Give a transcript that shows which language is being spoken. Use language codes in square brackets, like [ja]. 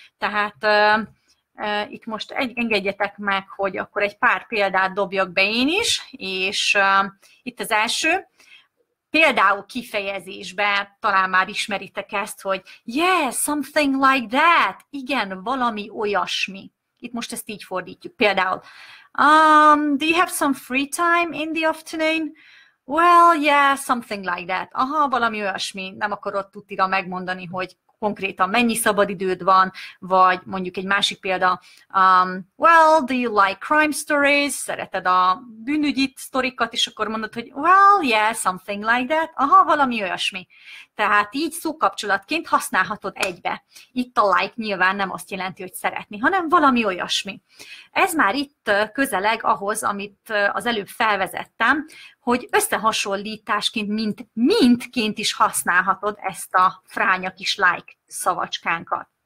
[hu] Tehát itt most engedjetek meg, hogy akkor egy pár példát dobjak be én is, és itt az első, például kifejezésben talán már ismeritek ezt, hogy [en] yeah, something like that, [hu] igen, valami olyasmi. Itt most ezt így fordítjuk. Például, [en] do you have some free time in the afternoon? Well, yeah, something like that. [hu] Aha, valami olyasmi, nem akarod tutira megmondani, hogy konkrétan mennyi szabadidőd van, vagy mondjuk egy másik példa. [en] Well, do you like crime stories? [hu] Szereted a bűnügyi sztorikat, és akkor mondod, hogy [en] well, yeah, something like that. [hu] Aha, valami olyasmi. Tehát így szókapcsolatként használhatod egybe. Itt a like nyilván nem azt jelenti, hogy szeretni, hanem valami olyasmi. Ez már itt közeleg ahhoz, amit az előbb felvezettem, hogy összehasonlításként, mintként is használhatod ezt a fránya kis like szavacskánkat.